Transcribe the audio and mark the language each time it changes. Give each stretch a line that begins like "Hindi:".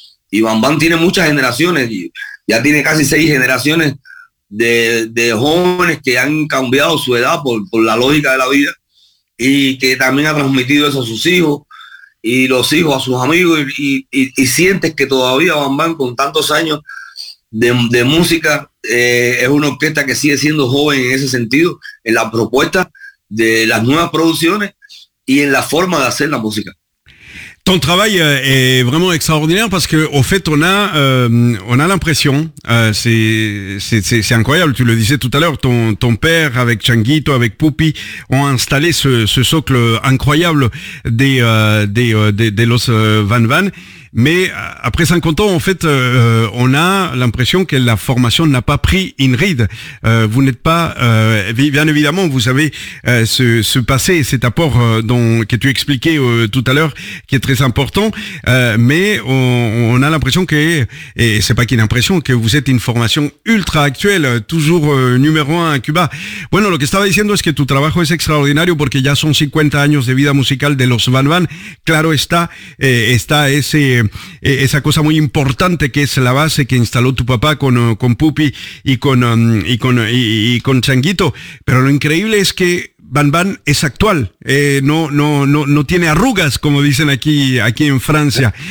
Spanish: Y Bambán tiene muchas generaciones, ya tiene casi 6 generaciones de jóvenes que han cambiado su edad por la lógica de la vida, y que también ha transmitido eso a sus hijos y los hijos a sus amigos, y sientes que todavía Bambán, con tantos años de música, es una orquesta que sigue siendo joven en ese sentido, en la propuesta de las nuevas producciones y en la forma de hacer la música.
French: Ton travail est vraiment extraordinaire parce que au fait on a l'impression c'est incroyable, tu le disais tout à l'heure, ton père avec Changuito, avec Pupi ont installé ce socle incroyable des Los Van Van. Mais après 50 ans, en fait, on a l'impression que la formation n'a pas pris une ride. Vous n'êtes pas, bien évidemment, vous avez ce passé, cet apport que tu expliquais tout à l'heure, qui est très important. Mais on a l'impression que, et c'est pas qu'une impression, que vous êtes une formation ultra actuelle, toujours numéro un à Cuba.
Spanish: Bueno, lo que estaba diciendo es que tu trabajo es extraordinario porque ya son 50 años de vida musical de Los Van Van. Claro está, está ese esa cosa muy importante que es la base que instaló tu papá con Pupi y con Changuito, pero lo increíble es que Van Van es actual, no tiene arrugas, como dicen aquí en Francia.